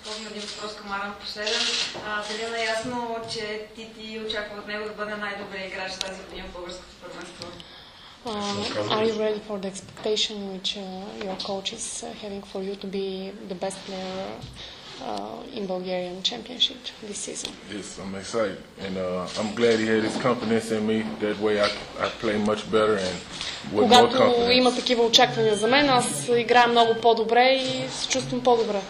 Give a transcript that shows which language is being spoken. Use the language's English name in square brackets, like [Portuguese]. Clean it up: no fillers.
[Bulgarian] Един въпрос към Аран последен. Дали е ясно, че ти очаква от него да бъде най-добрият играч тази година в българското първенство? [English] Are you ready for the expectation which your coach is having for you to be the best player in Bulgarian Championship this season? Yes, I'm excited, and I'm glad he had his confidence in me. That way, I play much better and with more confidence. [Bulgarian] Когато има такива очаквания за мен, аз играя много по-добре и се чувствам по-добре.